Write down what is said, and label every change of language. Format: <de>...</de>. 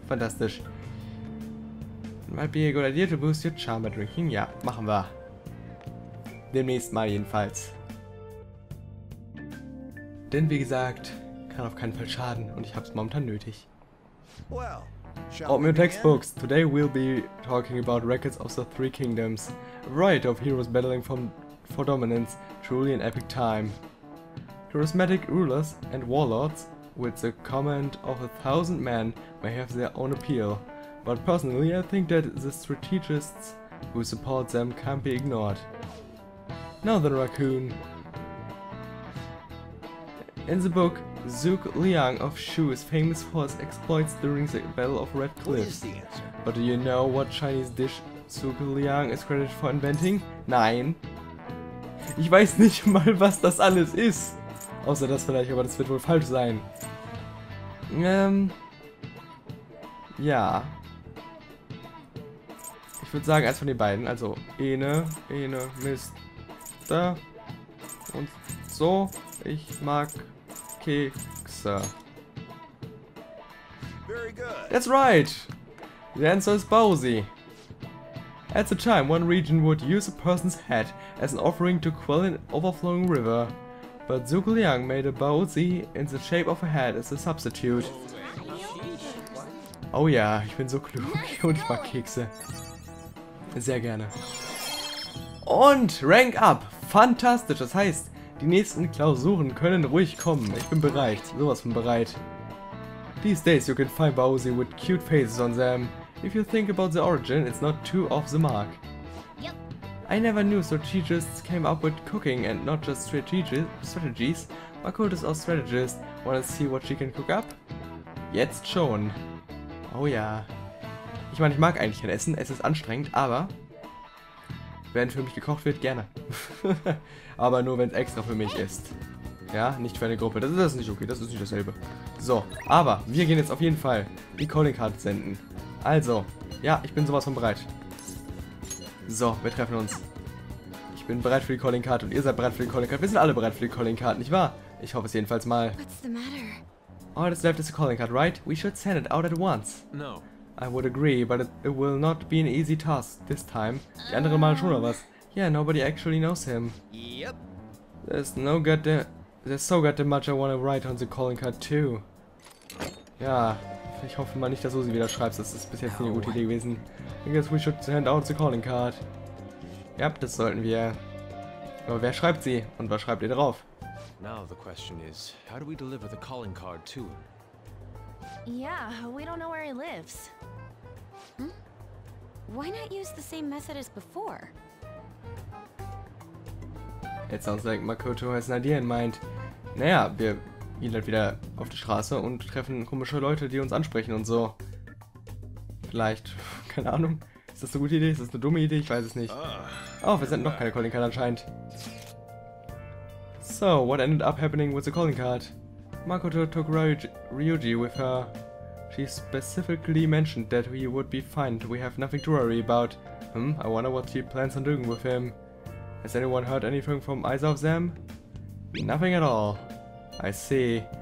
<en>Fantastisch. Might be a good idea to boost your charm by drinking.</en> <de>Ja, machen wir. Demnächst mal jedenfalls. Denn wie gesagt, kann auf keinen Fall schaden und ich hab's momentan nötig.</de> <en>Well, open your textbooks. Today we'll be talking about Records of the Three Kingdoms. A variety of heroes battling for dominance. Truly an epic time. Charismatic rulers and warlords with the command of 1,000 men may have their own appeal. But personally, I think that the strategists who support them can't be ignored. Now the raccoon. In the book, Zhuge Liang of Shu is famous for his exploits during the Battle of Red Cliffs. But do you know what Chinese dish Zhuge Liang is credited for inventing?</en> <de>Nein. Ich weiß nicht mal, was das alles ist. Außer das vielleicht, aber das wird wohl falsch sein. Ja. Ich würde sagen, eins von den beiden. Also, Ene, Mister. Und so. Ich mag Kekse.</de> <en>Very good. That's right! The answer is Bowsy. At the time, one region would use a person's head as an offering to quell an overflowing river. But Zhuge Liang made a Bowsy in the shape of a head as a substitute.</en> <de>Oh yeah, ich bin so klug und ich mag Kekse. Sehr gerne. Und Rank Up! Fantastisch! Das heißt, die nächsten Klausuren können ruhig kommen. Ich bin bereit. Sowas von bereit.</de> <en>These days you can find Bowsy with cute faces on them. If you think about the origin, it's not too off the mark. Yep. I never knew strategists came up with cooking and not just strategies. Makoto is our strategist. Wanna see what she can cook up?</en> <de>Jetzt schon. Oh ja. Ich meine, ich mag eigentlich kein Essen. Es ist anstrengend, aber wenn für mich gekocht wird, gerne. Aber nur, wenn es extra für mich ist. Ja, nicht für eine Gruppe. Das ist nicht okay. Das ist nicht dasselbe. So, aber wir gehen jetzt auf jeden Fall die Calling Card senden. Also, ja, ich bin sowas von bereit. So, wir treffen uns. Ich bin bereit für die Calling Card und ihr seid bereit für die Calling Card. Wir sind alle bereit für die Calling Card, nicht wahr? Ich hoffe es jedenfalls mal.</de> <en>What's the matter? All that's left is a calling card, right? We should send it out at once. No. I would agree, but it will not be an easy task this time.</en> <de>Die andere Mal schon, oder was?</de> <en>Yeah, nobody actually knows him. Yep. There's no goddamn... There's so goddamn much I want to write on the calling card, too.</en> <de>Ja, ich hoffe mal nicht, dass du sie wieder schreibst. Das ist bis jetzt eine gute Idee gewesen.</de> <en>I guess we should send out the calling card.</en> <de>Yep, das sollten wir. Aber wer schreibt sie? Und was schreibt ihr drauf?</de> <en>Now the question is, how do we deliver the calling card to him? Yeah, we don't know where he lives. Hm? Why not use the same method as before? It sounds like Makoto has an idea in mind.</en> <de>Naja, wir gehen halt wieder auf die Straße und treffen komische Leute, die uns ansprechen und so. Vielleicht, keine Ahnung, Ist das eine gute Idee? Ist das eine dumme Idee? Ich weiß es nicht. Oh, wir senden noch keine Calling Card anscheinend.</de> <en>So, what ended up happening with the Calling Card? Makoto took Ryuji with her. She specifically mentioned that he would be fine, we have nothing to worry about. I wonder what she plans on doing with him. Has anyone heard anything from either of them? Nothing at all. I see.</en>